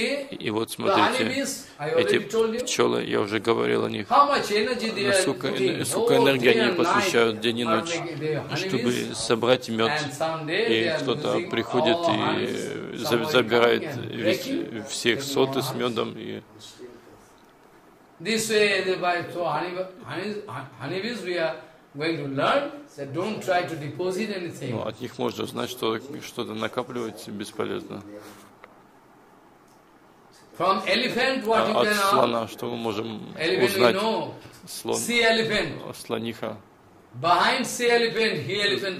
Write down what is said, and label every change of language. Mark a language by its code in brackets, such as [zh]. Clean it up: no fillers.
[ru] И вот смотрите, эти пчелы, я уже говорил о них, сколько энергии они посвящают день и ночь, чтобы собрать мед, и кто-то приходит и забирает всех соты с медом. И [en] this way, by so honeybees, we are going to learn. So don't try to deposit anything. [ru] Ну от них можно знать, что что-то накапливать бесполезно. [en] From elephant, what you can [ru] от слона, что мы можем узнать? Слон. [en] Sea elephant. [ru] Слониха. [en] Behind sea elephant, he elephant runs.